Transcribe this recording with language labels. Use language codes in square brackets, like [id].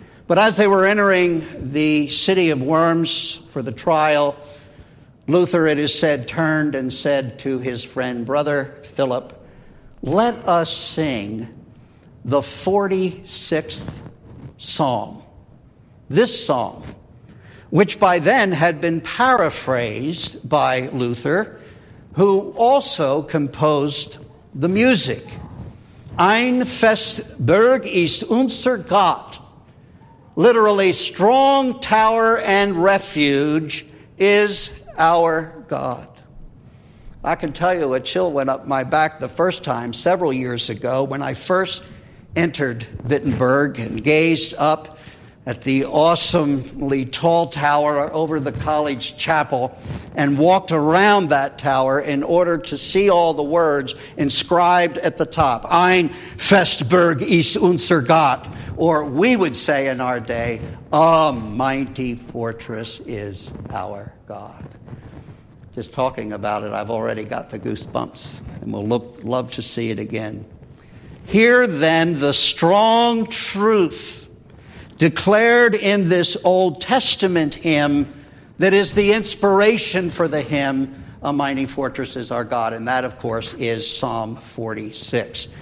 [en] But as they were entering the city of Worms for the trial, Luther, it is said, turned and said to his friend, Brother Philip, let us sing the 46th psalm. This psalm, which by then had been paraphrased by Luther, who also composed the music. [de] Ein fest Berg ist unser Gott. [en] Literally, strong tower and refuge is our God. I can tell you a chill went up my back the first time several years ago when I first entered Wittenberg and gazed up at the awesomely tall tower over the college chapel and walked around that tower in order to see all the words inscribed at the top. [de] Ein fest Berg ist unser Gott. [en] Or we would say in our day, a mighty fortress is our God. Just talking about it, I've already got the goosebumps, and we'll love to see it again. Hear then the strong truth declared in this Old Testament hymn that is the inspiration for the hymn, A Mighty Fortress is Our God, and that, of course, is Psalm 46.